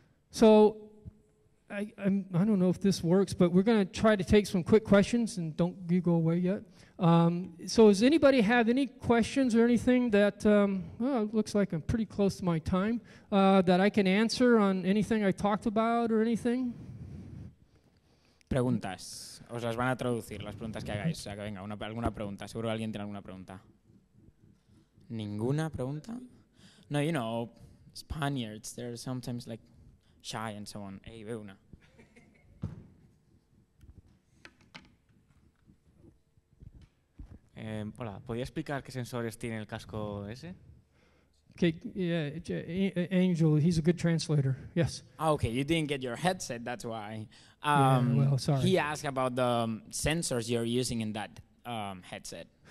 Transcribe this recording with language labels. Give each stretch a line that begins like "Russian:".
English: So I don't know if this works, but we're going to try to take some quick questions, and don't you go away yet. So does anybody have any questions or anything that it looks like I'm pretty close to my time that I can answer on anything I talked about or anything?
Spanish: Preguntas. Os las van a traducir, las preguntas que hagáis. O sea, que venga, alguna pregunta. Seguro alguien tiene alguna pregunta. ¿Ninguna pregunta?
English: No, you know, Spaniards, they're sometimes, like, shy and so on.
Spanish: Hey, ve una. Hola, ¿podría explicar qué sensores tiene el casco ese?
English: Okay, yeah, Angel, he's a good translator, yes. Okay, you didn't get your headset, that's why. Sorry. He asked about the sensors you're using in that headset.